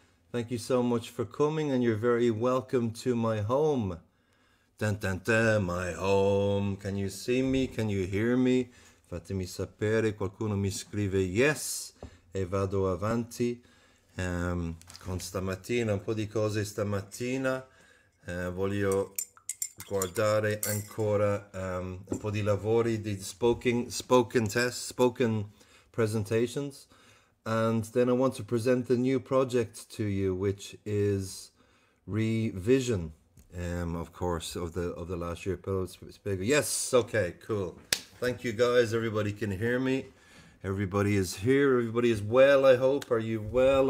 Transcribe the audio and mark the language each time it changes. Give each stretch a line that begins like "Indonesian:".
English: Thank you so much for coming and you're very welcome to my home. Dun, dun, dun, my home. Can you see me? Can you hear me?
Italian: Fatemi sapere, qualcuno mi scrive yes e vado avanti. Con stamattina, un po' di cose stamattina. Voglio guardare ancora un po' di lavori di
English: spoken presentations. And then I want to present a new project to you, which is revision, of course, of the last year. Yes, okay, cool. Thank you, guys. Everybody can hear me. Everybody is here. Everybody is well, I hope. Are you well?